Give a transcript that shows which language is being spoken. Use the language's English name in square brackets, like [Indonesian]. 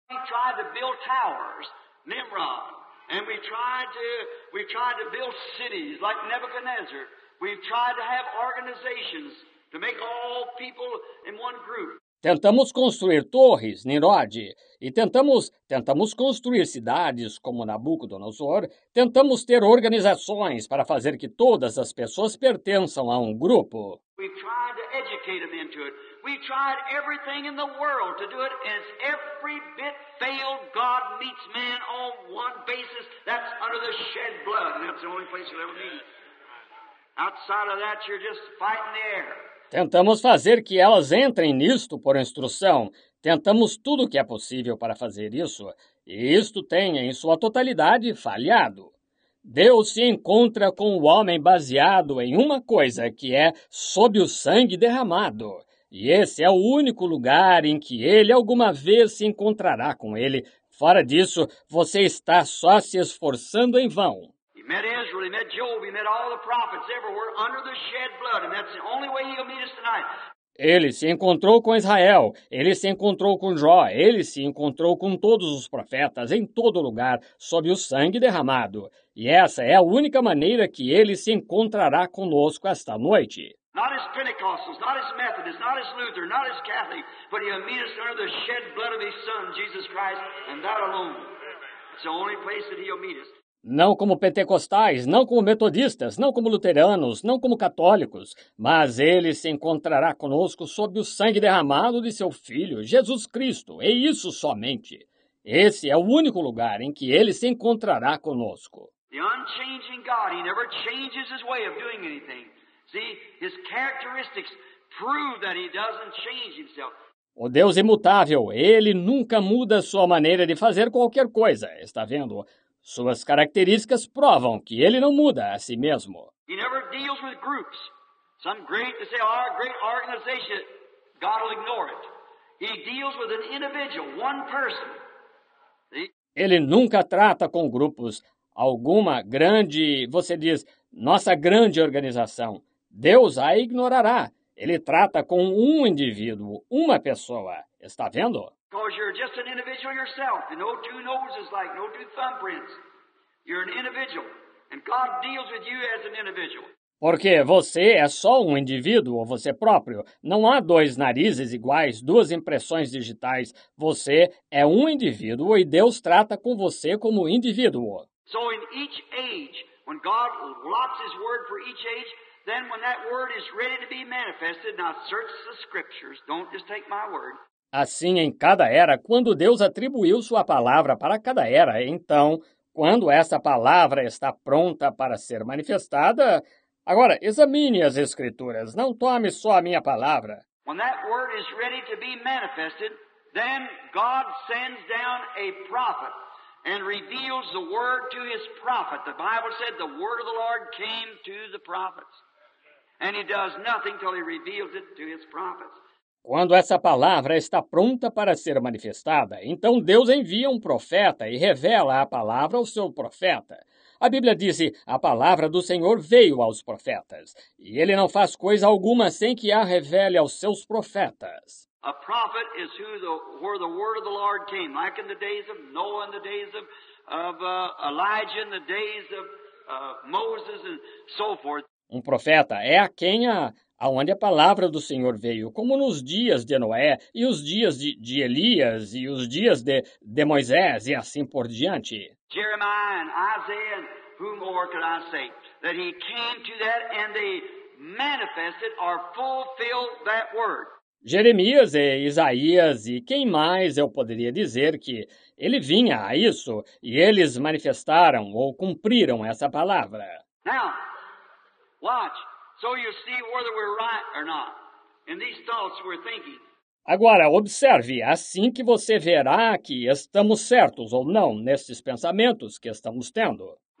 [English] We tried to build towers, Nimrod. And we tried to build cities like Nebuchadnezzar. We tried to have organizations to make all people in one group. [Portuguese] Tentamos construir torres, Nimrod, e tentamos construir cidades como Nabucodonosor. Tentamos ter organizações para fazer que todas as pessoas pertençam a um grupo. [English] We tried to educate them into it. We tried everything in the world to do it, and every bit failed. God meets man on one basis. That's under the shed blood, and that's the only place you'll ever meet. Outside of that, you're just fighting the air. [Portuguese] Tentamos fazer que elas entrem nisto por instrução. Tentamos tudo o que é possível para fazer isso. E isto tem, em sua totalidade, falhado. Deus se encontra com o homem baseado em uma coisa, que é sob o sangue derramado. E esse é o único lugar em que ele alguma vez se encontrará com ele. Fora disso, você está só se esforçando em vão. [English] He met Israel, he met Job, he met all the prophets everywhere under the shed blood, and that's the only way he'll meet us tonight. [Portuguese] Ele se encontrou com Israel, ele se encontrou com Jó, ele se encontrou com todos os profetas em todo lugar, sob o sangue derramado. E essa é a única maneira que ele se encontrará conosco esta noite. [English] Not as Pentecostals, not as Methodists, not as Luther, not as Catholic, but he'll meet us under the shed blood of his son, Jesus Christ, and that alone. It's the only place that he'll meet us. [Portuguese] Não como pentecostais, não como metodistas, não como luteranos, não como católicos, mas ele se encontrará conosco sob o sangue derramado de seu Filho, Jesus Cristo, e isso somente. Esse é o único lugar em que ele se encontrará conosco. [English] The unchanging God, he never changes his way of doing anything. See, his characteristics prove that he doesn't change himself. [Portuguese] O Deus imutável, ele nunca muda sua maneira de fazer qualquer coisa, está vendo? Suas características provam que ele não muda a si mesmo. [English] He never deals with groups. Some great, they say, our great organization, God will ignore it. He deals with an individual, one person. See? [Portuguese] Ele nunca trata com grupos. Alguma grande, você diz, nossa grande organização. Deus a ignorará. Ele trata com um indivíduo, uma pessoa. Está vendo? [English] Because you're just an individual yourself. No two noses like, no two thumbprints. You're an individual. And God deals with you as an individual. [Portuguese] Porque você é só um indivíduo, você próprio. Não há dois narizes iguais, duas impressões digitais. Você é um indivíduo e Deus trata com você como indivíduo. [English] So in each age, when God lots his word for each age, then when that word is ready to be manifested, now search the scriptures, don't just take my word. [Portuguese] Assim, em cada era, quando Deus atribuiu sua palavra para cada era, então, quando essa palavra está pronta para ser manifestada, agora, examine as Escrituras, não tome só a minha palavra. [English] When that word is ready to be manifested, then God sends down a prophet and reveals the word to his prophet. The Bible said the word of the Lord came to the prophets, and he does nothing till he reveals it to his prophets. [Portuguese] Quando essa palavra está pronta para ser manifestada, então Deus envia um profeta e revela a palavra ao seu profeta. A Bíblia diz, a palavra do Senhor veio aos profetas, e ele não faz coisa alguma sem que a revele aos seus profetas. [English] A prophet is who the, where the word of the Lord came, like in the days of Noah, in the days of Elijah, in the days of Moses, and so forth. [Portuguese] Um profeta é a quem aonde a palavra do Senhor veio, como nos dias de Noé, e os dias de Elias, e os dias de Moisés, e assim por diante. [English] Jeremiah and Isaiah, and who more could I say, that he came to that and they manifested or fulfilled that word. [Portuguese] Jeremias e Isaías, e quem mais eu poderia dizer que ele vinha a isso, e eles manifestaram ou cumpriram essa palavra. [English] Now, watch. So you see whether we're right or not. In these thoughts we're thinking. [Portuguese] Agora, observe, assim que você verá que estamos certos ou não nesses pensamentos que estamos tendo.